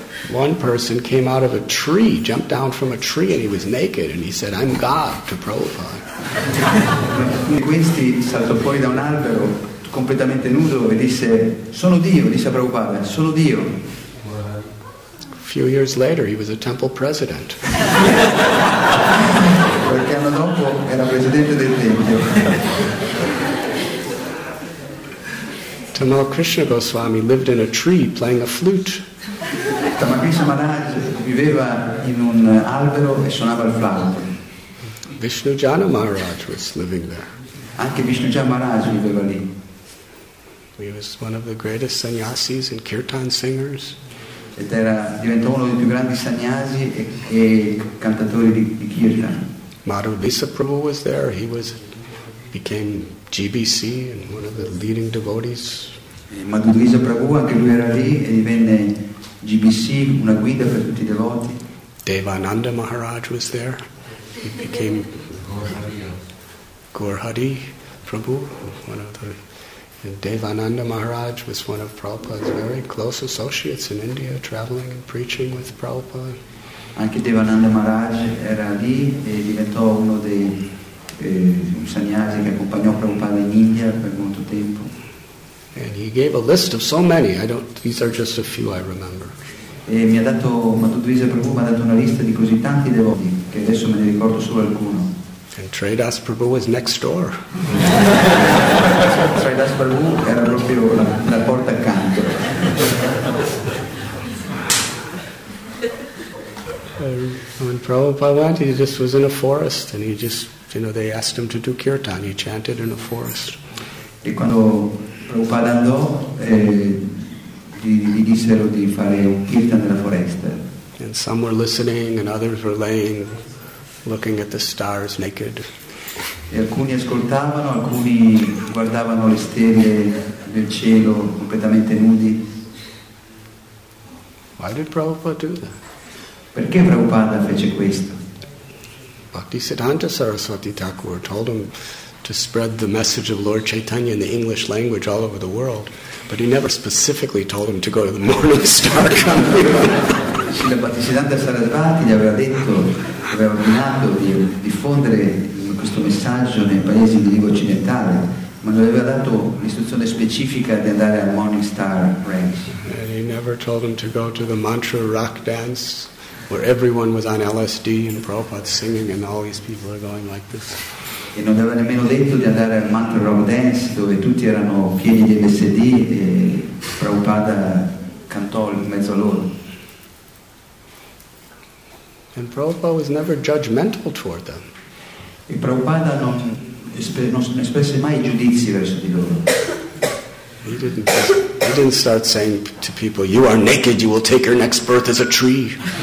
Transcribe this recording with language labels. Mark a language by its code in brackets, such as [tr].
[en] One person came out of a tree, jumped down from a tree, and he was naked, and he said, "I'm God," to Prabhupada. [it] Questi saltò fuori da un albero, completamente nudo, e disse, "Sono Dio," disse a Prabhupada, "Sono Dio." [en] A few years later, he was a temple president. [it] Qualche anno dopo, era presidente del tempio. [en] Tamal Krishna Goswami lived in a tree playing a flute. [it] Tamakrishna Maharaj viveva in un albero e suonava il flauto. [en] Vishnujana Maharaj was living there. [it] Anche Vishnujana Maharaj viveva lì. [en] He was one of the greatest sannyasis and kirtan singers. [it] Ed era diventato uno dei più grandi sannyasi e cantatori di kirtan. [en] Madhavisa Prabhu was there. He was became GBC and one of the leading devotees. [it] Madhavisa Prabhu anche lui era lì e divenne GBC, una guida per tutti i devoti. [en] Devananda Maharaj was there. He became Gaurhari Prabhu, one of the. And Devananda Maharaj was one of Prabhupada's very close associates in India, traveling and preaching with Prabhupada. [it] Anche Devananda Maharaj era lì e diventò uno dei un sannyasi che accompagnò Prabhupada in India per molto tempo. [en] And he gave a list of so many. I don't. These are just a few I remember. [it] E mi ha dato Madhudvisa Prabhu mi ha dato una lista di così tanti devoti che adesso me ne ricordo solo alcuno. [en] And Tridas Prabhu was next door. [it] Tridas Prabhu era proprio la porta accanto. [en] When Prabhupada went, he just was in a forest, and he just, you know, they asked him to do kirtan. He chanted in a forest. [it] E quando Prabhupada andò, gli dissero di fare un kirtan nella foresta. [en] And some were listening, and others were laying, looking at the stars naked. [it] E alcuni ascoltavano, alcuni guardavano le stelle del cielo completamente nudi. [en] Why did Prabhupada do that? [it] Perché Prabhupada fece questo? [en] Bhaktisiddhanta Saraswati Thakur told him to spread the message of Lord Chaitanya in the English language all over the world, but he never specifically told him to go to the morning star country. [it] Srila Bhaktisiddhanta Saraswati gli aveva detto, aveva ordinato di diffondere questo messaggio nei paesi di lingua occidentale, ma non aveva dato l'istruzione specifica di andare al morning star ranch. [en] And he never told him to go to the mantra rock dance, where everyone was on LSD and Prabhupada singing and all these people are going like this. [it] E non aveva nemmeno detto di andare al mantra rock dance dove tutti erano pieni di LSD e Prabhupada cantò in mezzo a loro. [en] And Prabhupada was never judgmental toward them. [it] E Prabhupada non espresse mai giudizi verso di loro. [en] He didn't start saying to people, "You are naked. You will take your next birth as a tree."